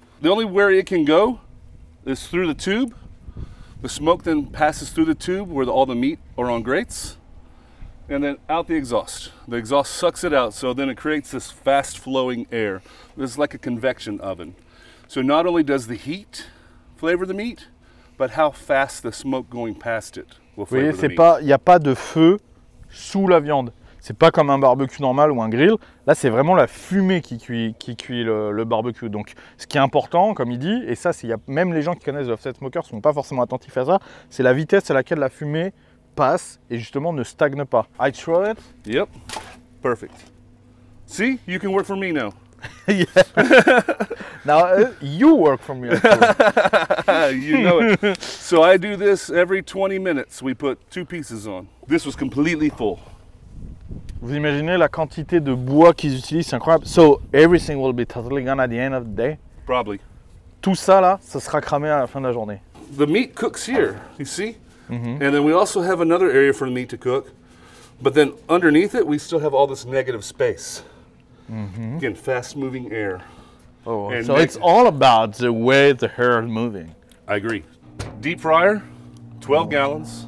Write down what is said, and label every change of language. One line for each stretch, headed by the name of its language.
English: The only way it can go is through the tube. The smoke then passes through the tube where all the meat are on grates, and then out the exhaust. The exhaust sucks it out, so then it creates this fast flowing air. It's like a convection oven. So not only does the heat flavor the meat, but how fast the smoke going past it will flavor the meat.
French: Pas, y a pas de feu sous la viande. C'est pas comme un barbecue normal ou un grill. Là, c'est vraiment la fumée qui cuit le barbecue. Donc, ce qui est important, comme il dit, et ça, c'est, y a, même les gens qui connaissent l'offset smoker sont pas forcément attentifs à ça, c'est la vitesse à laquelle la fumée passe et justement ne stagne pas.
English: I throw it. Yep. Perfect. See, you can work for me now. Yeah. Now you work from here. You know it. So I do this every 20 minutes. We put two pieces on. This was completely full.
French: Vous imaginez la quantité de bois qu'ils utilisent, c'est incroyable.
English: So everything will be totally gone at the end of the day. Probably.
French: Tout ça là, ça sera cramé à la fin de la journée.
English: The meat cooks here, you see? Mm-hmm. And then we also have another area for the meat to cook. But then underneath it, we still have all this negative space. Mm-hmm. Again, fast-moving air. Oh, and so it's all about the way the hair is moving. I agree. Deep fryer, 12 gallons.